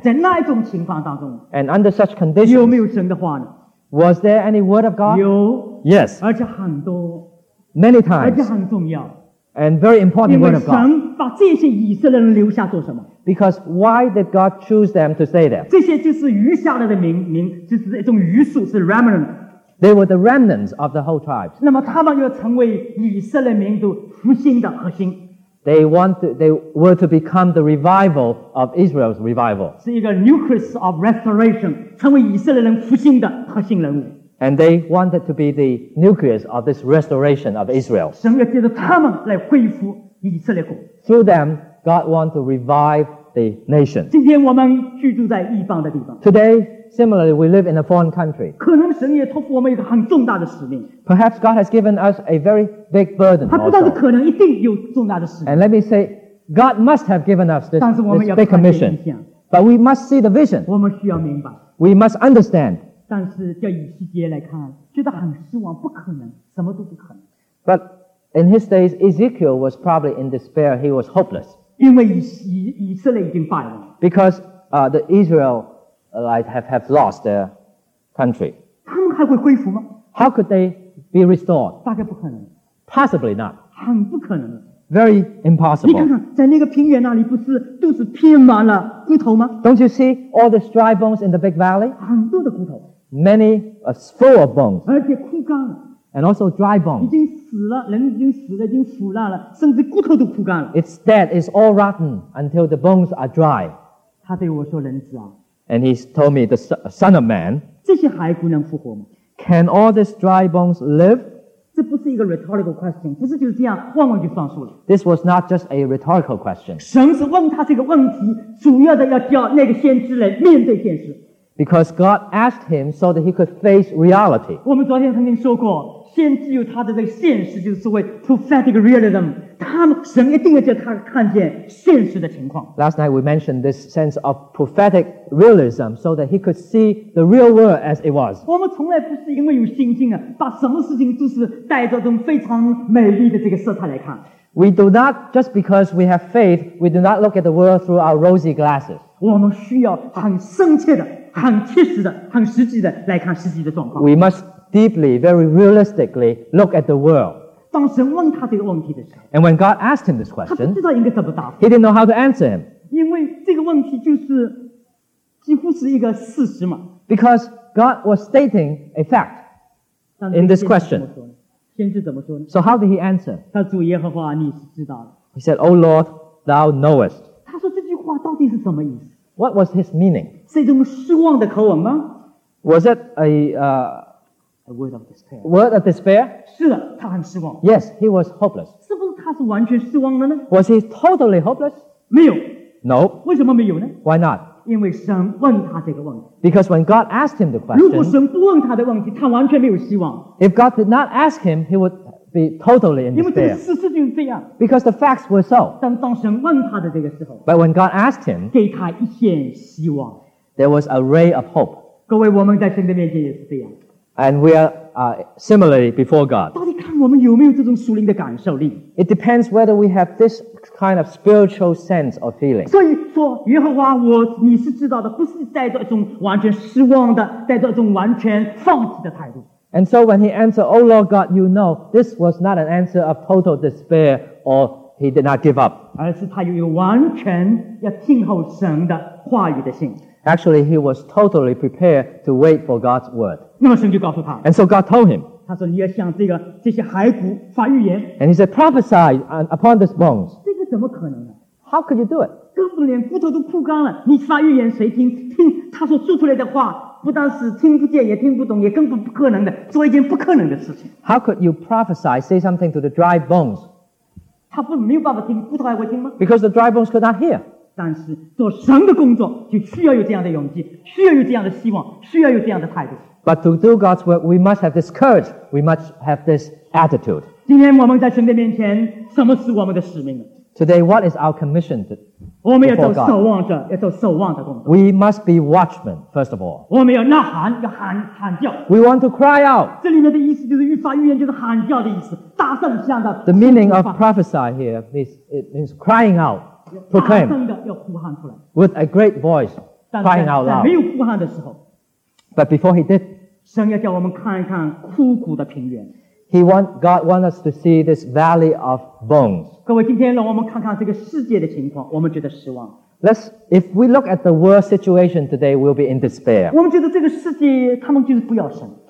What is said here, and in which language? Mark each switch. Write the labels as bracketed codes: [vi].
[zh] 在那一种情况当中。 [en] And under such conditions, [zh] 有没有神的话呢？ [en] Was there any word of God? [zh] 有。 [en] Yes. [zh] 而且很多。 [en] Many times. [zh] 而且很重要。 [en] And very important word of God. [zh] 因为神把这些以色列人留下做什么？ [en] Because why did God choose them to stay there? [zh] 这些就是余下来的名，就是一种余数，是 remnant. [en] They were the remnants of the whole tribes. [zh] 那么他们要成为以色列民族复兴的核心。 [en] They were to become the revival of Israel's revival. [zh] 是一个 [en] nucleus of restoration, [zh] 成为以色列人复兴的核心人物。 [en] And they wanted to be the nucleus of this restoration of Israel. [zh] 神要借着他们来恢复以色列国。 [en] Through them, God wants to revive the nation. [zh] 今天我们居住在异邦的地方。 [en] Today, similarly, we live in a foreign country. [zh] 可能神也托付我们一个很重大的使命。 [en] Perhaps God has given us a very big burden. [zh] 他不但是可能，一定有重大的使命。 [en] And let me say, God must have given us this big commission. But we must see the vision. [zh] 我们需要明白。 [en] We must understand. [zh] 但是叫以西结来看，觉得很失望，不可能，什么都不可能。 [en] But in his days, Ezekiel was probably in despair. He was hopeless. [zh] 因为以色列已经败了。 [en] Because the Israelites have lost their country. [zh] 他们还会恢复吗？ [en] How could they be restored? [zh] 大概不可能。 [en] Possibly not. [zh] 很不可能。 [en] Very impossible. [zh] 你看看，在那个平原那里，不是都是拼满了骨头吗？ [en] Don't you see all the dry bones in the big valley? [zh] 很多的骨头。 [en] Many are full of bones. [zh] 而且枯干了。 [en] And also dry bones. [zh] 已经死了，人已经死了，已经腐烂了，甚至骨头都枯干了。 [en] It's dead. It's all rotten until the bones are dry. [zh] 他对我说：“人子啊。” [en] And he told me, the son of man. [zh] 这些骸骨能复活吗？ [en] Can all these dry bones live? [zh] 这不是一个 rhetorical question， 不是就是这样，往往就放数了。 [en] This was not just a rhetorical question。 [zh] 神是问他这个问题，主要的要叫那个先知来面对现实。 [en] Because God asked him so that he could face reality。 [zh] 我们昨天曾经说过，先知有他的这个现实，就是所谓 prophetic realism。神一定要叫他看见现实的情况。 [en] Last night we mentioned this sense of prophetic realism so that he could see the real world as it was. [zh] 我们从来不是因为有信心啊，把什么事情都是带着这种非常美丽的这个色彩来看。 [en] We do not just because we have faith, we do not look at the world through our rosy glasses. [zh] 我们需要很深切的、很切实的、很实际的来看实际的状况。 [en] We must deeply, very realistically look at the world. [zh] 当神问他这个问题的时候， [en] and when God asked him this question, [zh] 他不知道应该怎么答复。 [en] He didn't know how to answer him. [zh] 因为这个问题就是几乎是一个事实嘛。 [en] Because God was stating a fact in this question. [zh] 先知怎么说呢？ [en] So how did he answer? [zh] 他主耶和华，你是知道的。 [en] He said, "O Lord, thou knowest." [zh] 他说这句话到底是什么意思？ [en] What was his meaning? [zh] 是一种失望的口吻吗？ [en] Was it a A word of despair. Word of despair? [zh] 是的，他很失望。 [en] Yes, he was hopeless. [zh] 是不是他是完全失望的呢？ [en] Was he totally hopeless? [zh] 没有。 [en] No. [zh] 为什么没有呢？ [en] Why not? [zh] 因为神问他这个问题。 [en] Because when God asked him the question, [zh] 如果神不问他的问题，他完全没有希望。 [en] If God did not ask him, he would be totally in despair. [zh] 因为这个事实就是这样。 [en] Because the facts were so. [zh] 但当神问他的这个时候， [en] But when God asked him, [zh] 给他一线希望。 [en] There was a ray of hope. [zh] 各位，我们在神的面前也是这样。 [en] And we are similarly before God. [zh] 到底看我们有没有这种属灵的感受力？ [en] It depends whether we have this kind of spiritual sense or feeling. [zh] 所以说，耶和华我你是知道的，不是带着一种完全失望的，带着一种完全放弃的态度。 [en] And so when he answered, "Oh Lord God, you know," this was not an answer of total despair or he did not give up. [zh] 而是他有一个完全要听候神的话语的心。 [en] Actually, he was totally prepared to wait for God's word. [zh] 那么神就告诉他。 [en] And so God told him. [zh] 他说：“你要向这些骸骨发预言。” [en] And he said, "Prophesy upon these bones." [zh] 这个怎么可能呢？ [en] How could you do it? [zh] 根本连骨头都枯干了，你发预言谁听？听他所说出来的话，不但是听不见也听不懂，也根本不可能的做一件不可能的事情。 [en] How could you prophesy, say something to the dry bones? [zh] 他不没有办法听，骨头还会听吗？ [en] Because the dry bones could not hear. [zh] 但是做神的工作就需要有这样的勇气，需要有这样的希望，需要有这样的态度。 [en] But to do God's work, we must have this courage, we must have this attitude. [zh] 今天我们在神的面前，什么是我们的使命呢？ [en] Today, what is our commission to, before God? [zh] 我们要做守望者，要做守望的工作。 [en] We must be watchmen, first of all. [zh] 我们要呐喊，要喊喊叫。 [en] We want to cry out. [zh] 这里面的意思就是预发预言，就是喊叫的意思，大声向的。 [en] The meaning of prophesy here is it means crying out, proclaim. [zh] 大声的要呼喊出来。 [en] With a great voice, crying out loud. [zh] 没有呼喊的时候。 [en] But before he did, [zh] 神要叫我们看一看枯骨的平原。 [en] God wants us to see this valley of bones. [zh] 各位，今天让我们看看这个世界的情况，我们觉得失望。 [en] If we look at the world situation today, we'll be in despair. [zh] 我们觉得这个世界他们就是不要神。